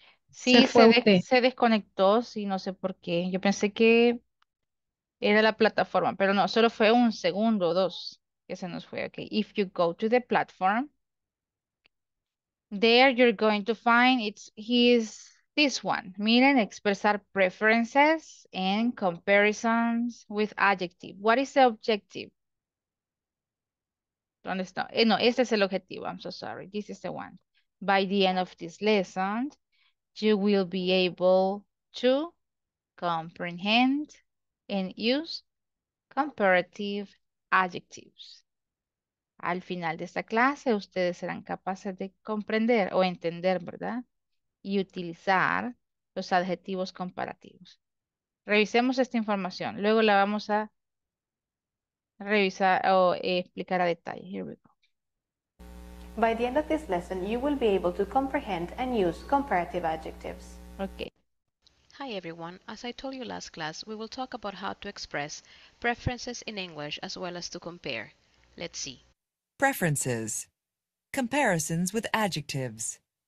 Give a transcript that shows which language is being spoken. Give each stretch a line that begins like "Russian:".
Spanish: Sí, se desconectó, sí, no sé por qué. Yo pensé que era la plataforma, pero no, solo fue un segundo o dos. Se nos fue, okay.
English: If you go to the platform, there you're going to find this one.
Spanish: Miren, expresar
English: preferences and comparisons with adjective. What is the objective?
Spanish: ¿Dónde está? No, este es el objetivo.
English: I'm so sorry. This is the one. By the end of this lesson, you will be able to comprehend and use comparative adjectives.
Spanish: Al final de esta clase, ustedes serán capaces de comprender o entender, ¿verdad? Y utilizar los adjetivos comparativos. Revisemos esta información. Luego la vamos a revisar o explicar a detalle.
English: Here we go. By the end of this lesson, you will be able to comprehend and use comparative adjectives. Okay. Hi everyone, as I told you last class, we will talk about how to express preferences in English as well as to compare. Let's see. Preferences. Comparisons with adjectives.